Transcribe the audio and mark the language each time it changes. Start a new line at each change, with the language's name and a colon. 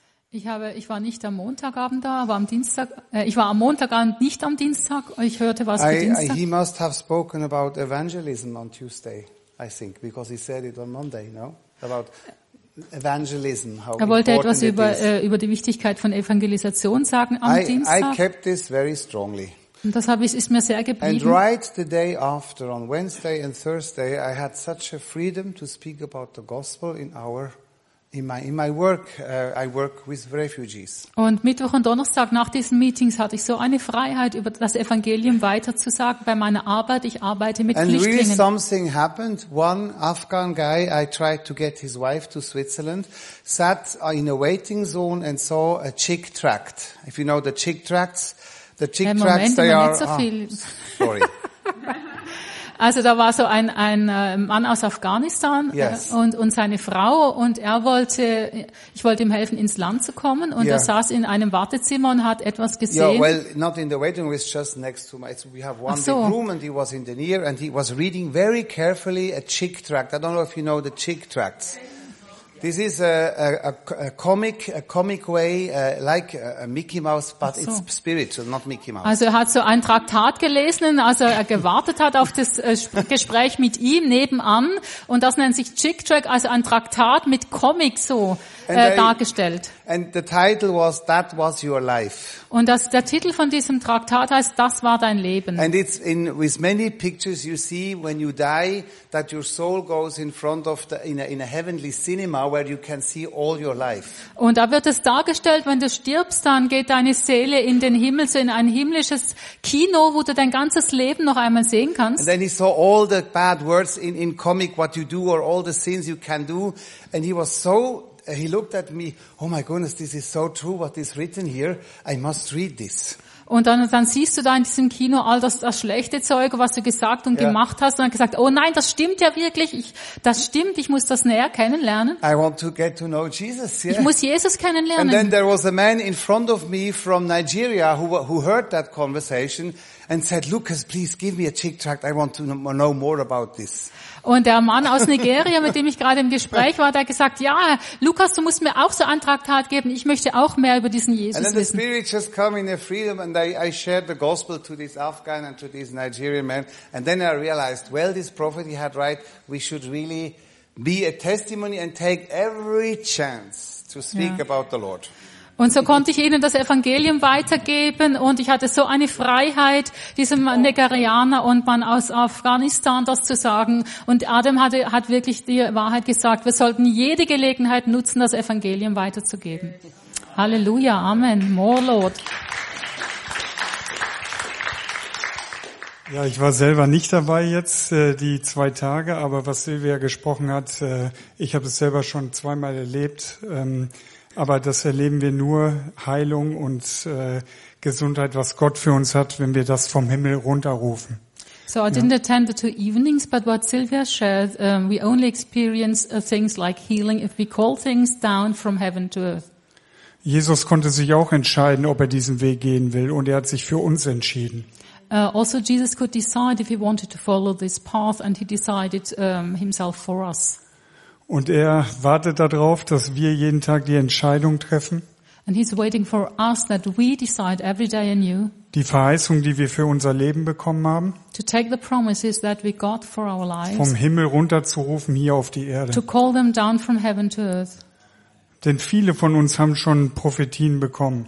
German: Ich war nicht am Montagabend da, aber am Dienstag. Ich war am Montagabend nicht am Dienstag. Ich hörte was für Dienstag.
English: He must have spoken about evangelism on Tuesday, I think, because he said it on Monday, no? About evangelism, how
German: er wollte etwas über die Wichtigkeit von Evangelisation sagen am Dienstag.
English: I kept this very strongly.
German: Und das habe ich ist mir sehr geblieben.
English: And right the day after, on Wednesday and Thursday, I had such a freedom to speak about the gospel in my work. I work with refugees.
German: Und Mittwoch und Donnerstag nach diesen Meetings hatte ich so eine Freiheit, über das Evangelium weiterzusagen bei meiner Arbeit. Ich arbeite mit
English: and
German: Flüchtlingen.
English: And really something happened. One Afghan guy, I tried to get his wife to Switzerland, sat in a waiting zone and saw a chick tract. If you know the chick tracts, the chick
German: Moment,
English: tracts, they are...
German: So viel.
English: Oh, sorry.
German: Also da war so ein Mann aus Afghanistan,
English: yes,
German: und seine Frau, und ich wollte ihm helfen, ins Land zu kommen, und yeah, er saß in einem Wartezimmer und hat etwas gesehen.
English: Yeah, well, not in the waiting room, it's just next to my, we have one so big room, and he was in the near, and he was reading very carefully a chick tract. I don't know if you know the chick tracts. This is a comic way, like a Mickey Mouse, but so. It's spiritual, not Mickey Mouse.
German: Also er hat so ein Traktat gelesen, als er gewartet hat auf das Gespräch mit ihm nebenan, und das nennt sich Chick Track, also ein Traktat mit Comic so dargestellt.
English: And the title was "That Was Your Life".
German: Und das, der Titel von diesem Traktat heißt "Das war dein Leben".
English: And it's in with many pictures you see when you die that your soul goes in front of the in a heavenly cinema where you can see all your life.
German: Und da wird es dargestellt, wenn du stirbst, dann geht deine Seele in den Himmel, so in ein himmlisches Kino, wo du dein ganzes Leben noch einmal sehen kannst.
English: And then he saw all the bad words in comic what you do or all the sins you can do, and he was so. He looked at me, oh my goodness, this is so true, what is written here, I must read this.
German: Und dann siehst du da in diesem Kino all das schlechte Zeug, was du gesagt und gemacht hast, und dann gesagt, oh nein, das stimmt ja wirklich, ich muss das näher kennenlernen.
English: I want to get to know Jesus, yeah.
German: Ich muss Jesus kennenlernen.
English: And then there was a man in front of me from Nigeria who heard that conversation and said, Lucas, please give me a chick tract, I want to know more about this.
German: Und der Mann aus Nigeria, mit dem ich gerade im Gespräch war, der hat gesagt, ja, Lukas, du musst mir auch so einen Traktat geben, ich möchte auch mehr über diesen Jesus wissen.
English: And I shared the gospel to this Afghan and to this Nigerian man, and then I realized, well, this prophet, he had right, we should really be a testimony and take every chance to speak about the Lord.
German: Und so konnte ich ihnen das Evangelium weitergeben, und ich hatte so eine Freiheit, diesem Nigerianer und Mann aus Afghanistan das zu sagen. Und Adam hat wirklich die Wahrheit gesagt, wir sollten jede Gelegenheit nutzen, das Evangelium weiterzugeben.
English: Halleluja, Amen, more Lord.
German: Ja, ich war selber nicht dabei jetzt, die zwei Tage, aber was Silvia gesprochen hat, ich habe es selber schon zweimal erlebt. Aber das erleben wir nur, Heilung und Gesundheit, was Gott für uns hat, wenn wir das vom Himmel runterrufen.
English: So I didn't attend the two evenings, but what Sylvia shared, we only experience things like healing if we call things down from heaven to earth.
German: Jesus konnte sich auch entscheiden, ob er diesen Weg gehen will, und er hat sich für uns entschieden.
English: Also Jesus could decide if he wanted to follow this path, and he decided himself for us.
German: Und er wartet darauf, dass wir jeden Tag die Entscheidung treffen.
English: And he's waiting for us that we decide every day anew.
German: Die Verheißung, die wir für unser Leben bekommen haben.
English: To take the promises that we got for our lives.
German: Vom Himmel runterzurufen hier auf die Erde.
English: To call them down from heaven to earth.
German: Denn viele von uns haben schon Prophetien bekommen.